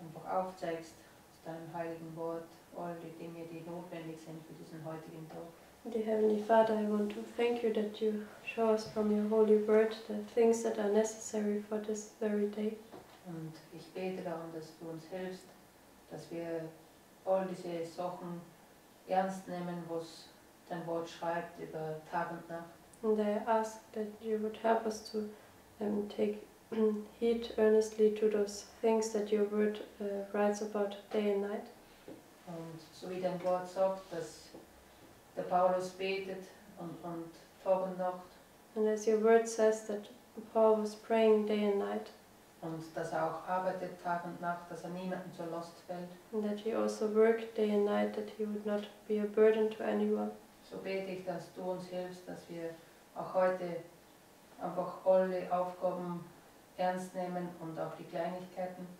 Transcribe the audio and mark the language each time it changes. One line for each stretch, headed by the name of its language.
German: Aufzeigst aus deinem heiligen Wort all die Dinge, die notwendig sind für diesen heutigen Tag.
English: Dear Heavenly Father, I want to thank you that you show us from your holy word the things that are necessary for this very day.
German: Und ich bete darum, dass du uns hilfst, dass wir all diese Sachen ernst nehmen, was dein Wort schreibt über Tag und Nacht.
English: And I ask that you would help us to take heed earnestly to those things that your word writes about day and night.
German: Und so wie dein Wort sagt, dass der Paulus betet und Tag und Nacht.
English: And as your word says that Paul was praying day and night.
German: Und dass er auch arbeitet Tag und Nacht, dass er niemanden zur Last fällt.
English: And that he also worked day and night, that he would not be a burden to anyone.
German: So bete ich, dass du uns hilfst, dass wir auch heute einfach alle Aufgaben ernst nehmen und auch die Kleinigkeiten.